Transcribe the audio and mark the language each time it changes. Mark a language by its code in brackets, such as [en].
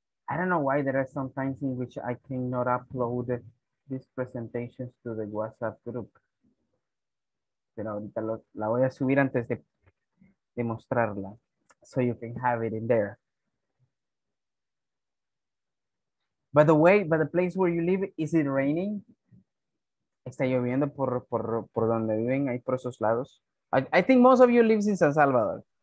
[en] I don't know why there are some times in which I cannot upload these presentations to the WhatsApp group. [es] Pero ahorita la voy a subir antes de mostrarla, [en] so you can have it in there. By the way, by the place where you live, is it raining? [es] Está lloviendo por donde viven, ahí por esos lados. [en] I think most of you live in San Salvador.